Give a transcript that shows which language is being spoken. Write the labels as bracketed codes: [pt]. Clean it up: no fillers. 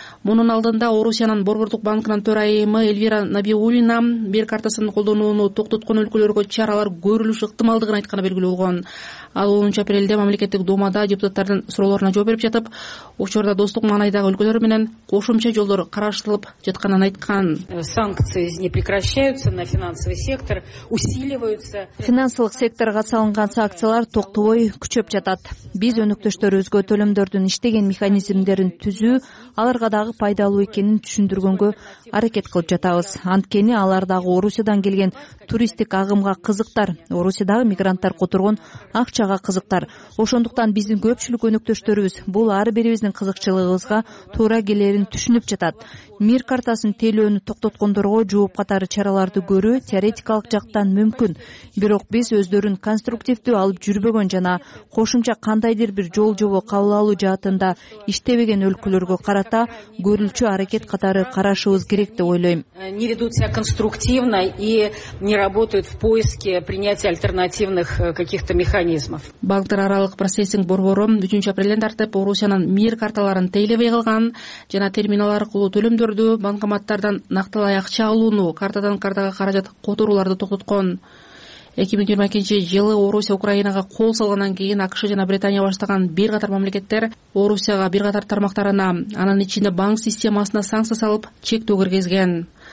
[ky] Мунун алдында Орусиянын борбордук банкынын төрайымы Эльвира Набиуллина Мир картасын колдонууну токтоткон өлкөлөргө чаралар көрүлүш ыктымалдыгын айтканы белгилүү болгон. Ал 10-апрелде мамлекеттик думада депутаттардын суроолоруна жооп берип жатып, учурда достук маанайдагы өлкөлөр менен кошумча жолдор караштырылып жатканын айткан. [ru] Санкции не прекращаются на финансовый сектор, усиливаются. [ky] Финансылык секторга салынган санкциялар токтобой күчөп жатат. Биз өнөктөштөрүбүзгө төлөмдөрдүн иштеген механизмдерин түзүү, аларга дагы пайдалуу экенин түшүндүргөнгө аракет кылып жатабыз. Анткени алар дагы Орусиядан келген туристтик агымга кызыктар, Орусиядагы мигранттар которгон акчага кызыктар. Ошондуктан биздин көпчүлүк өнөктөштөрүбүз бул ар бирибиздин кызыкчылыгыбызга туура келерин түшүнүп жатат. Мир картасын тейлөөнү токтоткондорго жооп катары чараларды көрүү теоретикалык жактан мүмкүн. Бирок биз өздөрүн конструктивдүү алып жүрбөгөн жана кошумча кандайдыр бир жол жобо кабыл алуу жаатында иштебеген өлкөлөргө карата көрүлчү аракет катары карашыбыз керек деп ойлойм. [ru] Не ведут себя конструктивно и не работают в поиске принятия альтернативных каких-то механизмов. [ky] Банктар аралык процессинг борбору 3-апрелден тартып Орусиянын мир карталарын тейлебей калган жана терминал аркылуу төлөм дөрдү банкоматтардан нактылай акча алууну, картадан картага каражат которууларды токтоткон. 2022 жылы Орусия Украинага кол салгандан кийин АКШ жана Британия баштаган бир катар мамлекеттер Орусияга бир катар тармактарына, анын ичинде банк системасына санкция салып, чектөө киргизген.